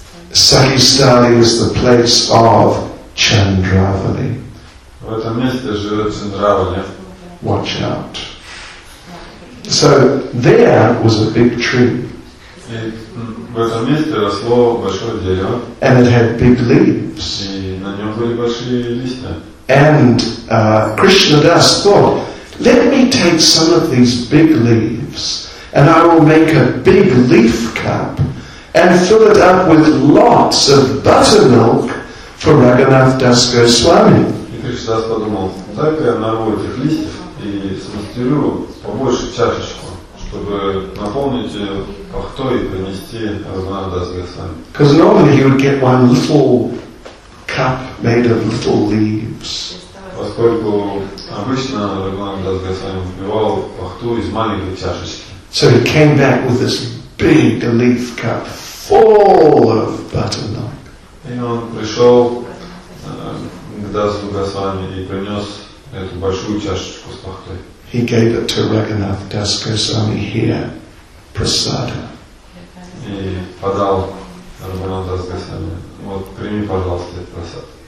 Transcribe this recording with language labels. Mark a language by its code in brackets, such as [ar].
[en] Sakhi Stali is the place of Chandravali. [ru] В этом месте живет Чандравали. [en] Watch out. So there was a big tree. [ru] В этом месте росло большое дерево. [en] And it had big leaves. [ru] И на нем были большие листья. [en] And Krishna Das thought, let me take some of these big leaves and I will make a big leaf cup and fill it up with lots of buttermilk for Raghunath Das Goswami. [ru] И Кришна Дас подумал, дай-ка я нарву этих листьев и смастерю побольше чашечку, чтобы наполнить ее пахтой и принести Раганат Дас Госвами. [en] Because normally he would get one little cup made of little leaves. [ru] Поскольку обычно Раганат Дас Госвами выпивал пахту из маленькой чашечки. [en] So he came back with this big leaf cup full of buttermilk. [ru] И он пришел к Дасу Госвами и принес эту большую чашечку с пахтой. [en] He gave it to Raghunath Das Goswami here, prasada. [ru] И подал Раганат Дас Госвами. Вот прими, пожалуйста, этот прасад.